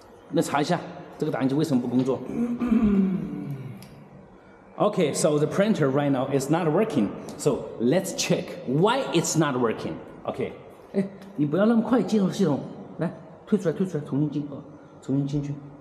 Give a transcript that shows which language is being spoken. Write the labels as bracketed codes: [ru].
[zh] 那查一下，这个打印机为什么不工作？ [en] Okay, so the printer right now is not working. So let's check why it's not working. Okay. [zh] 哎，你不要那么快进入系统，来，退出来，退出来，重新进，重新进去。